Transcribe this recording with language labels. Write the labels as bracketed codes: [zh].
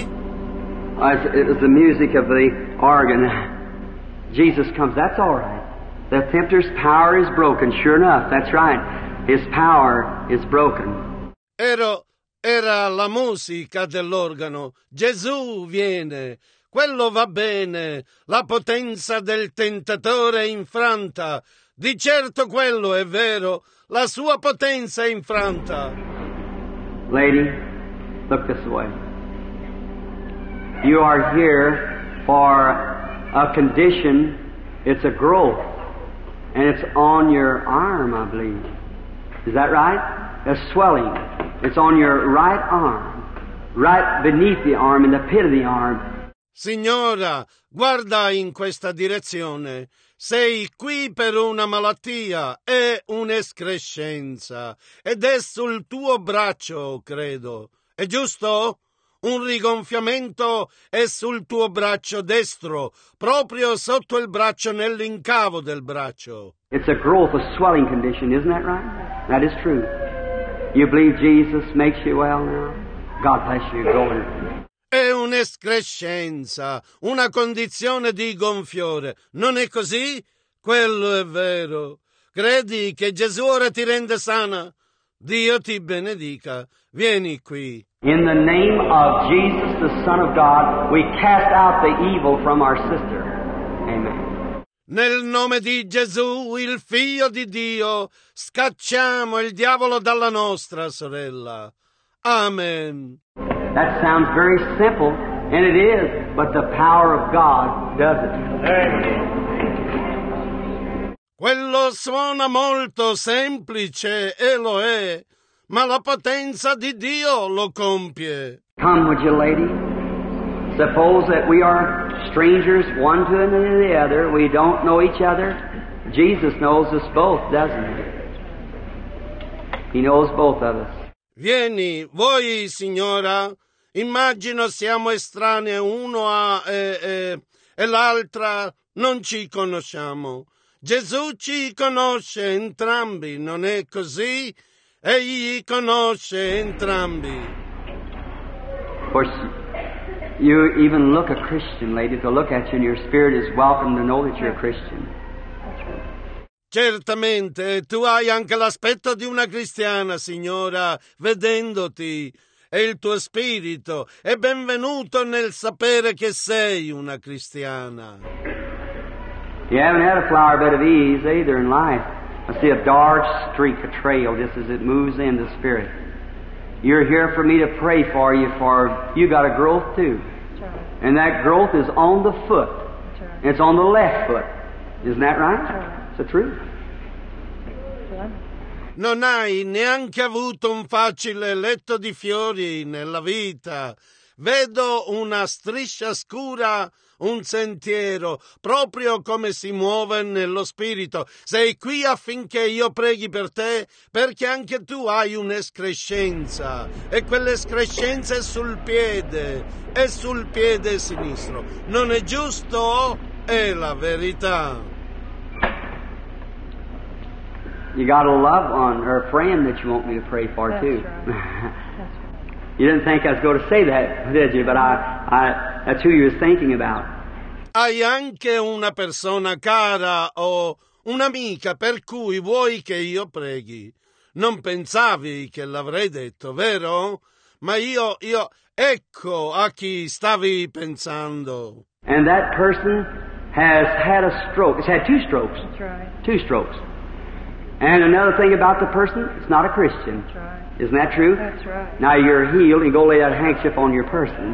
[en] It was the music of the organ. Jesus comes. That's all right. The tempter's power is broken. Sure enough, that's right. His power is broken. [it] Era la musica dell'organo. Gesù viene. Quello va bene. La potenza del tentatore è infranta. Di certo quello è vero. La sua potenza è infranta. [en] Lady, look this way. You are here for a condition. It's a growth. And it's on your arm, I believe. Is that right? A swelling. It's on your right arm. Right beneath the arm, in the pit of the arm. [it] Signora, guarda in questa direzione. Sei qui per una malattia, è un'escrescenza, ed è sul tuo braccio, credo. È giusto? Un rigonfiamento è sul tuo braccio destro, proprio sotto il braccio, nell'incavo del braccio. [en] It's a growth, a swelling condition, isn't that right? That is true. You believe Jesus makes you well now? God bless you. Go on. [it] È un'escrescenza, una condizione di gonfiore. Non è così? Quello è vero. Credi che Gesù ora ti rende sana? Dio ti benedica. Vieni qui. [en] In the name of Jesus, the Son of God, we cast out the evil from our sister. Amen. [it] Nel nome di Gesù, il Figlio di Dio, scacciamo il diavolo dalla nostra sorella. Amen. [en] That sounds very simple, and it is, but the power of God does it. [it] Quello suona molto semplice, e lo è, ma la potenza di Dio lo compie. [en] Come, would you, lady? Suppose that we are strangers, one to the other, we don't know each other. Jesus knows us both, doesn't he? He knows both of us. [it] Vieni, voi, signora. Immagino siamo estranei uno e l'altra, non ci conosciamo. Gesù ci conosce entrambi, non è così? Egli conosce entrambi. [en] Of course, you even look a Christian, lady, to look at you, and your spirit is welcome to know that you're a Christian. [it] Certamente, tu hai anche l'aspetto di una cristiana, signora, vedendoti. E il tuo spirito è benvenuto nel sapere che sei una cristiana. [en] You haven't had a flower bed of ease either in life. I see a dark streak, a trail, just as it moves in the spirit. You're here for me to pray for you, for you got a growth too. And that growth is on the foot. It's on the left foot. Isn't that right? It's the truth. [it] Non hai neanche avuto un facile letto di fiori nella vita. Vedo una striscia scura, un sentiero, proprio come si muove nello spirito. Sei qui affinché io preghi per te, perché anche tu hai un'escrescenza, e quell'escrescenza è sul piede sinistro. Non è giusto? È la verità. [en] You got a love on her friend that you want me to pray for. That's too. Right. That's you didn't think I was going to say that, did you? But I that's who you were thinking about. [it] Hai anche una persona cara o un'amica per cui vuoi che io preghi. Non pensavi che l'avrei detto, vero? Ma io ecco a chi stavi pensando. [en] And that person has had a stroke. It's had two strokes. That's right. Two strokes. And another thing about the person, it's not a Christian. That's right. Isn't that true? That's right. Now you're healed, and go lay that handkerchief on your person.